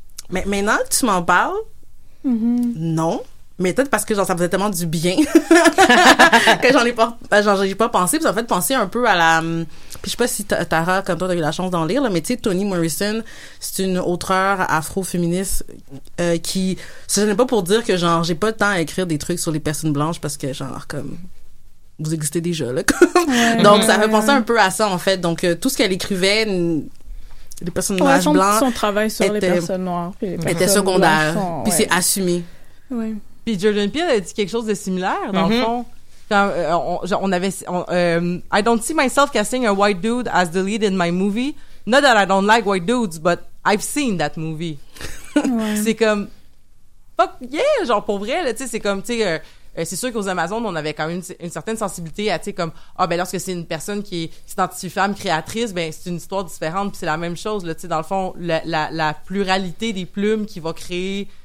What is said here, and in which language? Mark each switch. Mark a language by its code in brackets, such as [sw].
[fr] Mais maintenant que tu m'en parles, non, mais peut-être parce que genre ça faisait tellement du bien que j'ai pas pensé, puis en fait penser un peu à la, puis je sais pas si Tara comme toi t'as eu la chance d'en lire là, mais tu sais Toni Morrison, c'est une auteure afro-féministe qui, ça n'est pas pour dire que genre j'ai pas le temps à écrire des trucs sur les personnes blanches parce que genre comme vous existez déjà là donc ça fait penser un peu à ça en fait, donc tout ce qu'elle écrivait, les personnes blanches, blancs, son travail sur était, les personnes noires, puis les personnes était secondaire, puis c'est assumé. Oui. Puis Jordan Peele a dit quelque chose de similaire, dans le fond. [en] Quand, I don't see myself casting a white dude as the lead in my movie. Not that I don't like white dudes, but I've seen that movie. [fr] Ouais. C'est comme, fuck yeah, genre pour vrai, là, tu sais, c'est comme, tu sais, c'est sûr qu'aux Amazones, on avait quand même une certaine sensibilité à, tu sais, comme, ah, ben lorsque c'est une personne qui s'identifie femme créatrice, ben c'est une histoire différente, puis c'est la même chose, là, tu sais, dans le fond, la pluralité des plumes qui va créer.